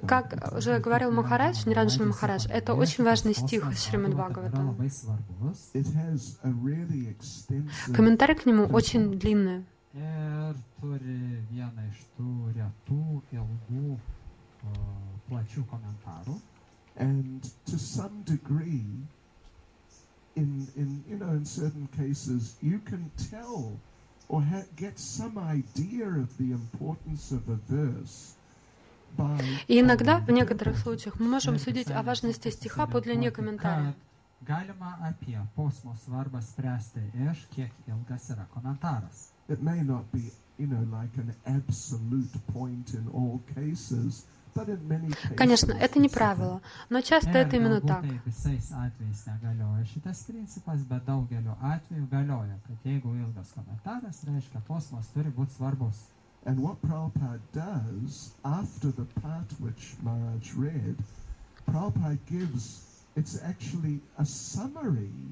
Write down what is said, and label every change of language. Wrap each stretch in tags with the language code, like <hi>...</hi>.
<ru>И как уже говорил Махарадж, Ниранджана Махарадж, это очень важный стих из Шримад Бхагаватам.</ru> <en>It has a really extensive.</en> <ru>Комментарий к нему очень длинный.</ru> <lt>Turi vieną iš tų retų ilgų plačių komentarų.</lt> <en>And to some degree, in certain cases, you can tell or get some idea of the importance of a verse.</en> <ru>И иногда в некоторых случаях мы можем судить о важности стиха по длине комментария.</ru> <lt>Galima apie posmo svarbą spręsti iš kiek ilgas yra komentaras.</lt> <en>It may not be, you know, like an absolute point in all cases, but in many cases.</en> <ru>Конечно, это не правило, но часто это именно так.</ru> <lt>Galbūt visais atvejais negalioja šitas principas, bet daugeliu atveju galioja, kad jeigu ilgas komentaras, reiškia, posmas turi būti svarbus.</lt> <en>And what Prabhupada does after the part which Maharaj read, Prabhupada gives, it's actually a summary.</en>